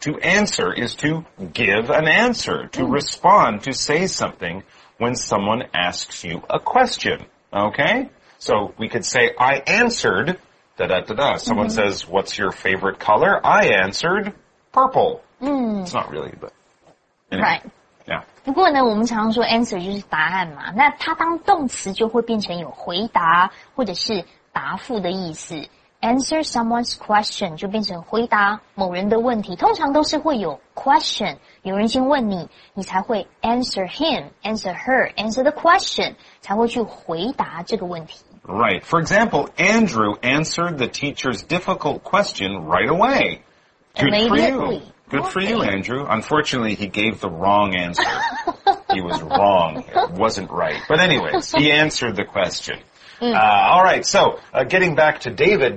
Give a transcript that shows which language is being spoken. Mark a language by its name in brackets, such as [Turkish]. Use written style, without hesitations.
[English] To answer is to give an answer, to respond, to say something when someone asks you a question. Okay? So we could say, I answered, da-da-da-da. Someone says, what's your favorite color? I answered, purple. It's not really, but... Right. Yeah. [Chinese] 不过呢，我们常常说 answer 就是答案嘛。那它当动词就会变成有回答或者是答复的意思。 [English] Answer someone's question [Chinese] 就变成回答某人的问题。通常都是会有 question， 有人先问你，你才会 [English] answer him, answer her, answer the question， [Chinese] 才会去回答这个问题。 [English] Right. For example, Andrew answered the teacher's difficult question right away. Good for you. Good for you, Andrew. Unfortunately, he gave the wrong answer. He was wrong. It wasn't right. But anyways, he answered the question. Getting back to David.